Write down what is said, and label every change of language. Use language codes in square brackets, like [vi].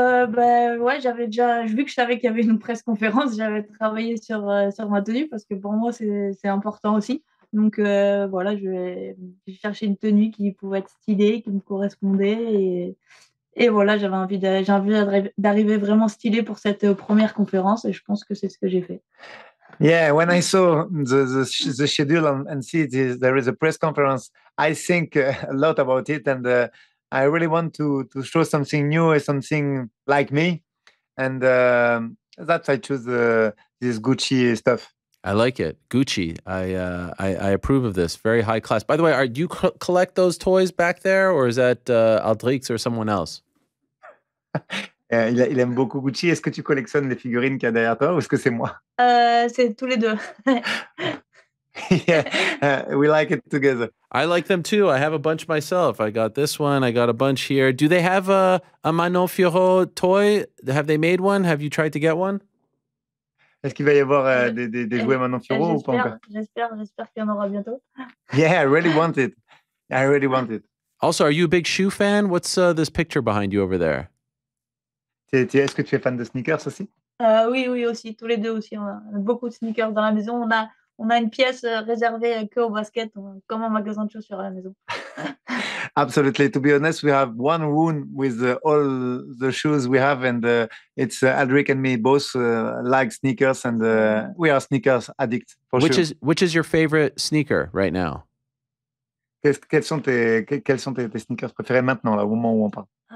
[fr] Vu que je savais qu'il y avait une presse conférence, j'avais travaillé sur ma tenue parce que pour moi c'est important aussi. Donc je cherchais une tenue qui pouvait être stylée, qui me correspondait et voilà, j'ai envie d'arriver vraiment stylée pour cette première conférence et je pense que c'est ce que j'ai fait. [en] Yeah, when I saw the schedule and see there is a press conference, I think a lot about it and I really want to show something new, something like me. And that's why I choose this Gucci stuff. I like it. Gucci. I approve of this. Very high class. By the way, do you collect those toys back there? Or is that Aldrix or someone else? [fr] Il aime beaucoup Gucci. Est-ce que tu collectionnes les figurines qu'il y a derrière toi ou est-ce que c'est moi? C'est tous les deux. [en] Yeah, we like it together. I like them too. I have a bunch myself. I got this one. I got a bunch here. Do they have a Manon Fiorot toy? Have they made one? Have you tried to get one? [fr] Est-ce qu'il va y avoir des jouets Manon Fiorot ou pas encore? J'espère qu'il y en aura bientôt. [en] Yeah, I really want it. Also, are you a big shoe fan? What's this picture behind you over there? [fr] Est-ce que tu es fan de sneakers aussi? Oui, aussi. Tous les deux aussi. On a beaucoup de sneakers dans la maison. On a une pièce réservée que au basket, comme un magasin de chaussures à la maison. [en] Absolutely. To be honest, we have one room with all the shoes we have, and it's Aldric and me both like sneakers, and we are sneakers addicts for sure. Which is your favorite sneaker right now? [fr] Quels sont tes sneakers préférés maintenant, là, au moment où on parle?